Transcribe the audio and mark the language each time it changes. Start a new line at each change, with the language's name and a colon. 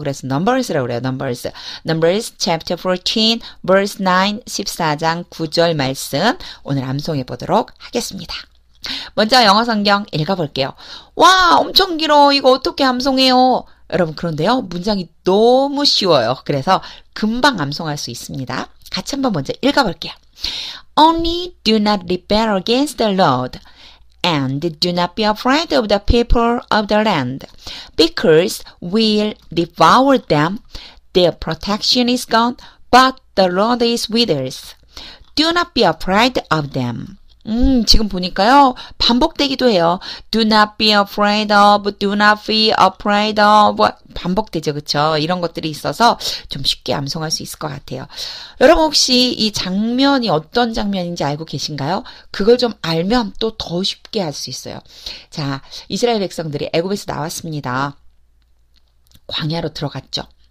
Korean: 그래서 Numbers라고 그래요. Numbers.
English: Numbers, chapter 14, verse 9,
Korean: 14장 9절 말씀. 오늘 암송해 보도록 하겠습니다. 먼저 영어 성경 읽어 볼게요. 와, 엄청 길어. 이거 어떻게 암송해요? 여러분, 그런데요, 문장이 너무 쉬워요. 그래서 금방 암송할 수 있습니다. 같이 한번 먼저 읽어 볼게요.
English: Only do not rebel against the Lord, and do not be afraid of the people of the land, because we'll devour them. Their protection is gone, but the Lord is with us. Do not be afraid of them.
Korean: 지금 보니까요, 반복되기도 해요.
English: Do not be afraid of, do not be afraid of.
Korean: 반복되죠, 그쵸? 이런 것들이 있어서 좀 쉽게 암송할 수 있을 것 같아요. 여러분 혹시 이 장면이 어떤 장면인지 알고 계신가요? 그걸 좀 알면 또더 쉽게 할수 있어요. 자, 이스라엘 백성들이 애굽에서 나왔습니다. 광야로 들어갔죠.